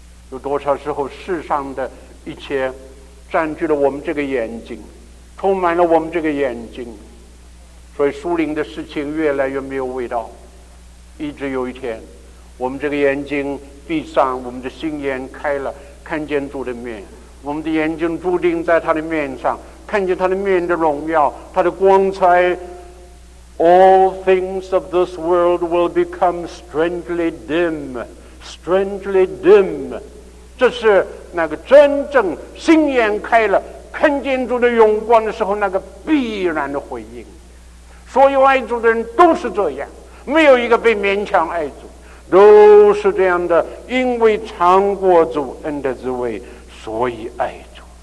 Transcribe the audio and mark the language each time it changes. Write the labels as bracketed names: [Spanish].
[Chinese] 有多少时候世上的一切占据了我们这个眼睛，充满了我们这个眼睛，所以属灵的事情越来越没有味道，一直有一天我们这个眼睛闭上，我们的心眼开了，看见主的面，我们的眼睛注定在他的面上，看见他的面的荣耀，他的光彩。 [English] All things of this world will become strangely dim, strangely dim. [Chinese] 这是那个真正心眼开了，看见主的荣光的时候，那个必然的回应。所有爱主的人都是这样，没有一个被勉强爱主，都是这样的，因为尝过主恩的滋味，所以爱主。